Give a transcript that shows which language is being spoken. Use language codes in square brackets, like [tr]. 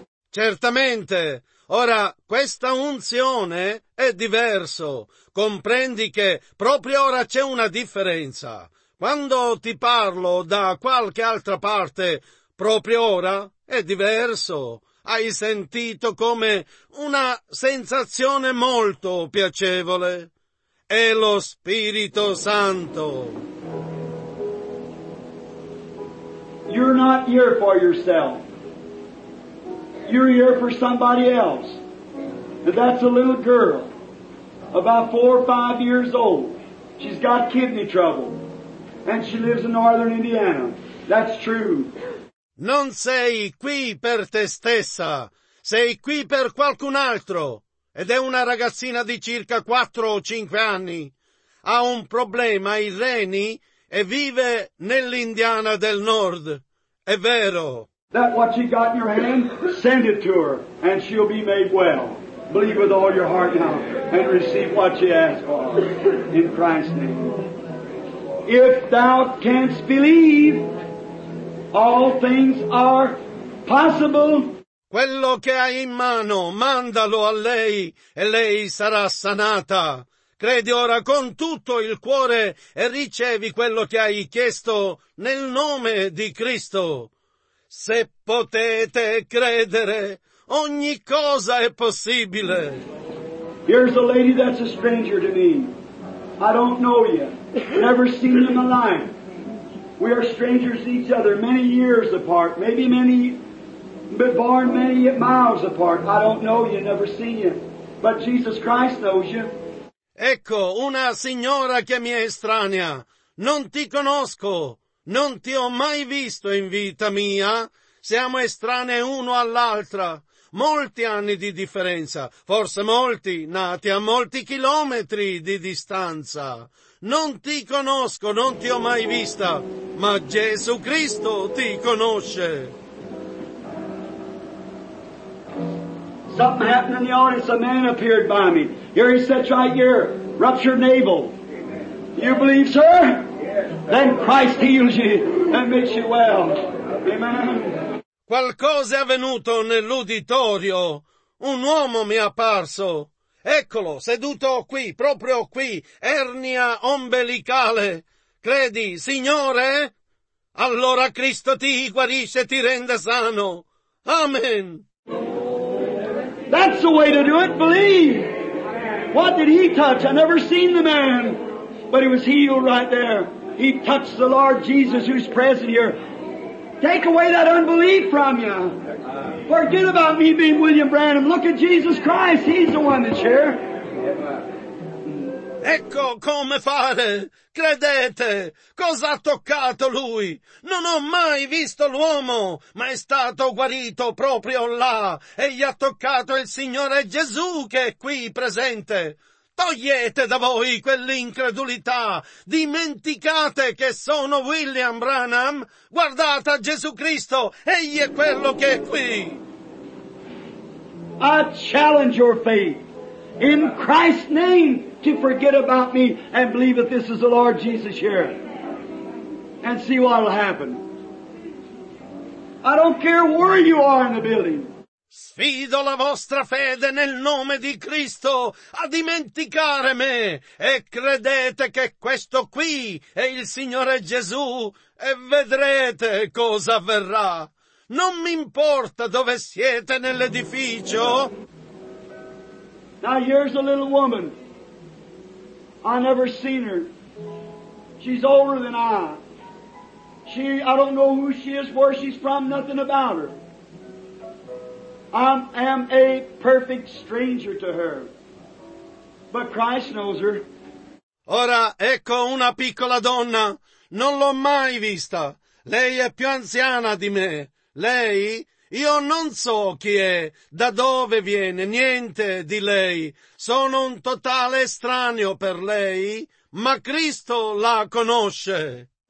[it] Certamente. Ora, questa unzione è diverso. Comprendi che proprio ora c'è una differenza. Quando ti parlo da qualche altra parte, proprio ora è diverso. Hai sentito come una sensazione molto piacevole. È lo Spirito Santo. [en] You're not here for yourself. You're here for somebody else. And that's a little girl, about 4 or 5 years old. She's got kidney trouble. And she lives in northern Indiana. That's true. [it] Non sei qui per te stessa. Sei qui per qualcun altro. Ed è una ragazzina di circa 4 o 5 anni. Ha un problema ai reni e vive nell'Indiana del Nord. È vero. [en] That what you got in your hand, send it to her and she'll be made well. Believe with all your heart now and receive what she asks for in Christ's name. If thou canst believe, all things are possible. [it] Quello che hai in mano, mandalo a lei e lei sarà sanata. Credi ora con tutto il cuore e ricevi quello che hai chiesto nel nome di Cristo. Se potete credere, ogni cosa è possibile. [en] Here's a lady that's a stranger to me. I don't know you. Never seen you in my life. We are strangers to each other, many years apart, maybe many... But born many miles apart. I don't know you, never seen you. But Jesus Christ knows you. [it] Ecco, una signora che mi è estranea. Non ti conosco. Non ti ho mai visto in vita mia. Siamo estranei uno all'altra. Molti anni di differenza. Forse molti, nati a molti chilometri di distanza. Non ti conosco, non ti ho mai vista. Ma Gesù Cristo ti conosce. [en] Something happened in the audience. A man appeared by me. Here he sits right here. Ruptured navel. You believe, sir? Then Christ heals you and makes you well. Amen. [it] Qualcosa è avvenuto nell'uditorio. Un uomo mi è apparso. Eccolo, seduto qui, proprio qui. Ernia ombelicale. Credi, Signore? Allora Cristo ti guarisce e ti rende sano. Amen. [en] That's the way to do it, believe. What did he touch? I never seen the man, but he was healed right there. He touched the Lord Jesus who's present here. Take away that unbelief from you. Forget about me being William Branham. Look at Jesus Christ. He's the one that's here. [it] Ecco come fare. Credete. Cosa ha toccato lui? Non ho mai visto l'uomo, ma è stato guarito proprio là. E gli ha toccato il Signore Gesù che è qui presente. Togliete da voi quell'incredulità. Dimenticate che sono William Branham. Guardate a Gesù Cristo. Egli è quello che è qui. [en] I challenge your faith in Christ's name. To forget about me and believe that this is the Lord Jesus here. and see what will happen. I don't care where you are in the building. [it] Sfido la vostra fede nel nome di Cristo a dimenticare me e credete che questo qui è il Signore Gesù e vedrete cosa avverrà. Non mi importa dove siete nell'edificio. [en] Now here's a little woman. I never seen her. She's older than I. I don't know who she is, where she's from, nothing about her. I am a perfect stranger to her, but Christ knows her. [it] Ora, ecco una piccola donna. Non l'ho mai vista. Lei è più anziana di me. Lei? Io non so chi è, da dove viene, niente di lei. Sono un totale estraneo per lei, ma Cristo la conosce.